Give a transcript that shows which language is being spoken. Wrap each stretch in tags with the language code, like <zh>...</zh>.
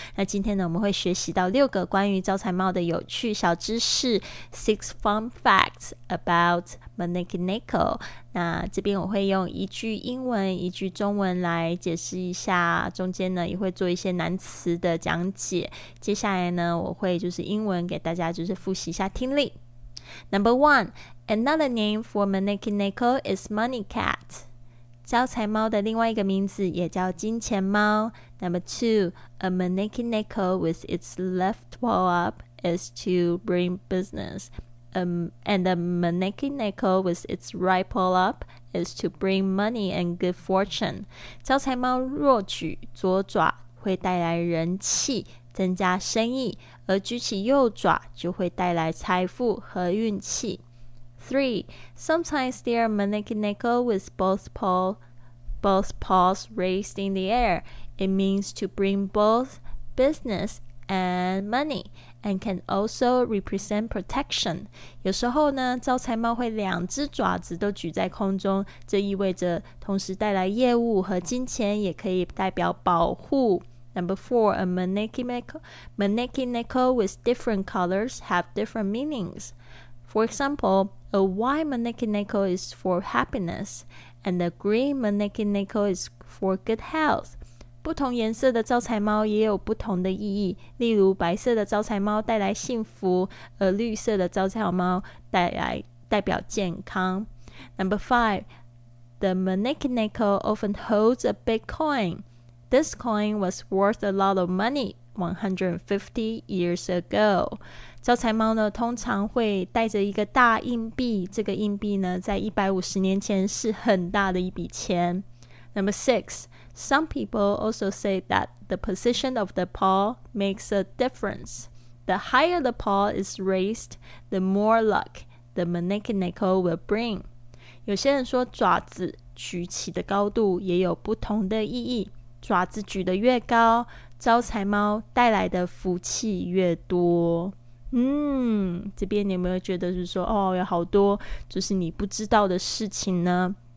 <zh>那今天呢，我们会学习到六个关于招财猫的有趣小知识，</zh> <en>6 fun facts about Maneki Neko。</en> <zh>那这边我会用一句英文一句中文来解释一下，中间呢也会做一些难词的讲解，接下来呢我会就是英文给大家就是复习一下听力。</zh> <en>Number one, another name for Maneki Neko is Money Cat，</en> <zh>招财猫的另外一个名字也叫金钱猫。</zh> <en>Number two, a Maneki Neko with its left paw up is to bring business、and a Maneki Neko with its right paw upis to bring money and good fortune。</en> <zh>招财猫若举左爪会带来人气，增加生意，而举起右爪就会带来财富和运气。3.</zh> <en>Sometimes there are Maneki Neko with both paws raised in the air. It means to bring both business and money. And can also represent protection.</en> <zh>有时候呢，招财猫会两只爪子都举在空中，这意味着同时带来业务和金钱，也可以代表保护。</zh> <en>Number four, a Maneki Neko with different colors have different meanings. For example, a white Maneki Neko is for happiness, and a green Maneki Neko is for good health.</en> <zh>不同颜色的招财猫也有不同的意义，例如白色的招财猫带来幸福，而绿色的招财猫代表健康。</zh> <en>Number 5. The Maneki Neko often holds a big coin. This coin was worth a lot of money 150 years ago.</en> <zh>招财猫呢通常会带着一个大硬币，这个硬币呢在150年前是很大的一笔钱。</zh> <en>Number 6. Some people also say that the position of the paw makes a difference. The higher the paw is raised, the more luck the Maneki Neko will bring.</en> <zh>有些人说爪子举起的高度也有不同的意义。爪子举得越高，招财猫带来的福气越多。嗯，这边你有没有觉得就是说，哦，有好多就是你不知道的事情呢？</zh>